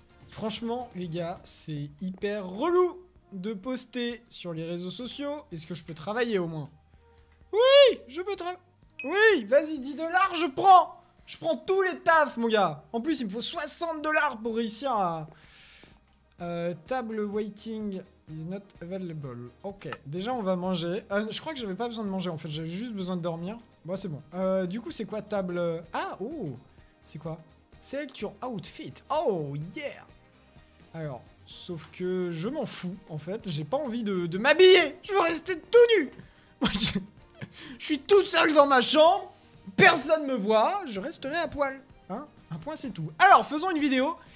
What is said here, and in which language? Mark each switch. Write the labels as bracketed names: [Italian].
[French] Franchement, les gars, c'est hyper relou de poster sur les réseaux sociaux. Est-ce que je peux travailler au moins? Oui, je peux travailler. Oui, vas-y, 10$, je prends. Je prends tous les tafs, mon gars. En plus, il me faut 60$ pour réussir à. [English] Table waiting is not available. [French] Ok, déjà on va manger. Je crois que j'avais pas besoin de manger en fait, j'avais juste besoin de dormir. Bon, c'est bon. Du coup, c'est quoi table? Ah, oh, c'est quoi? [English] Select your outfit. Oh yeah! [French] Alors, sauf que je m'en fous en fait, j'ai pas envie de m'habiller. Je veux rester tout nu. Moi, je suis tout seul dans ma chambre, personne me voit, je resterai à poil. Hein? Un point, c'est tout. Alors, faisons une vidéo.